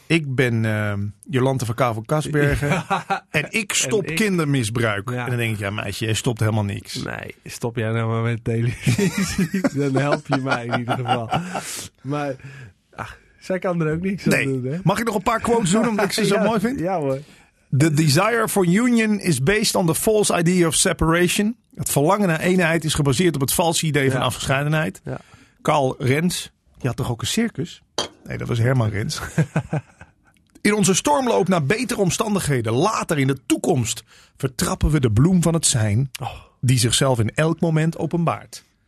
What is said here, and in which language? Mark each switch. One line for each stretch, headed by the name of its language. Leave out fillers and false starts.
Dutch: Ik ben Jolante van Kavel-Kasbergen. En ik stop kindermisbruik. Ja. En dan denk ik, meisje, jij stopt helemaal niks. Nee, stop jij nou maar met televisie. Dan help je mij in ieder geval. Maar zij kan er ook niks aan doen. Hè? Mag ik nog een paar quotes doen omdat ik ze zo mooi vind? Ja hoor.
English: The desire for union is based on the false idea of separation.
Dutch: Het verlangen naar eenheid is gebaseerd op het valse idee van afgescheidenheid. Ja. Karl Renz, die had toch ook een circus? Nee, dat was Herman Renz. In onze stormloop naar betere omstandigheden, later in de toekomst, vertrappen we de bloem van het zijn die zichzelf in elk moment openbaart.